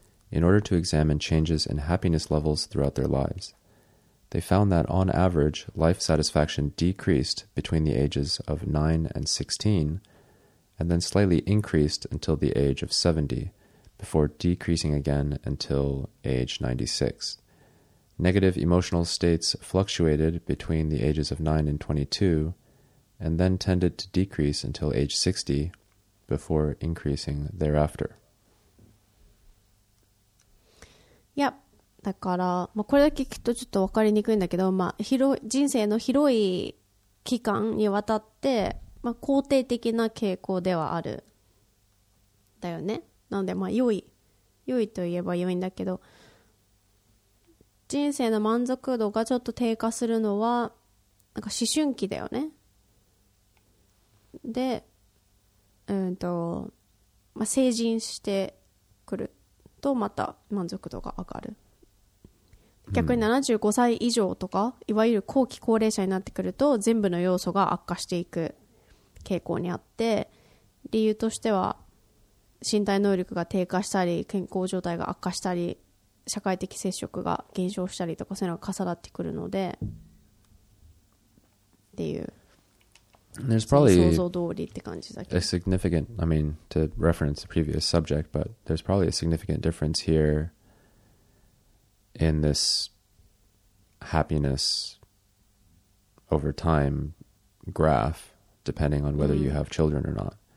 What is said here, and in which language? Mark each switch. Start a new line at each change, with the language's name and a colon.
English: In order to examine changes in happiness levels throughout their lives, they found that on average, life satisfaction decreased between the ages of 9 and 16, and then slightly increased until the age of 70, before decreasing again until age 96. Negative emotional states fluctuated between the ages of 9 and 22, and then tended to decrease until age 60, before increasing thereafter.
Japanese: いや、だから、まあ、これだけ聞くとちょっと分かりにくいんだけど、まあ、人生の広い期間にわたって、まあ、肯定的な傾向ではあるだよね。なので、まあ、良いといえば良いんだけど、人生の満足度がちょっと低下するのはなんか思春期だよね。で、まあ、成人してくるとまた満足度が上がる。逆に75歳以上とか、うん、いわゆる後期高齢者になってくると全部の要素が悪化していく傾向にあって、理由としては身体能力が低下したり、健康状態が悪化したり、社会的接触が減少したりとか、そういうのが重なってくるのでっていう。
English: There's probably a significant, I mean, to reference the previous subject, but there's probably a significant difference here in this happiness over time graph, depending on whether you have children or not.